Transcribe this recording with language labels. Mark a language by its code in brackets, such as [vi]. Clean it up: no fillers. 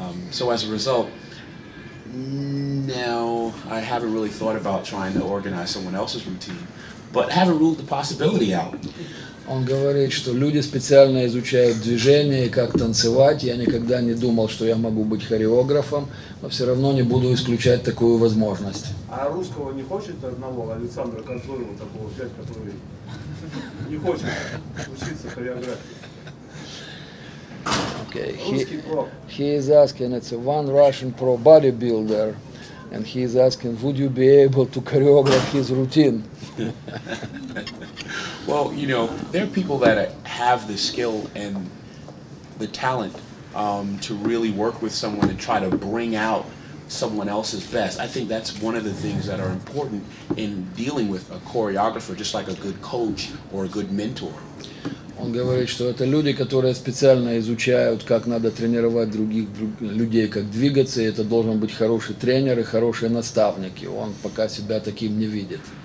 [en] So as a result, now I haven't really thought about trying to organize someone else's routine, but haven't ruled the possibility out. [ru] Он говорит, что люди специально изучают движение и как танцевать. Я никогда не думал, что я могу быть хореографом, но все равно не буду исключать такую возможность. А русского не хочет одного, Александра Козлова, такого взять, который не хочет учиться хореографии? [en] Okay. [ru] Русский [en] pro. He is asking, it's a one Russian pro bodybuilder, and he is asking, would you be able to choreograph his routine? Well, you know, there are people that have the skill and the talent to really work with someone and try to bring out someone else's best. I think that's one of the things that are important in dealing with a choreographer, just like a good coach or a good mentor. [ru] Он говорит, что это люди, которые специально изучают, как надо тренировать других людей, как двигаться, и это должен быть хороший тренер и хорошие наставники. Он пока себя таким не видит.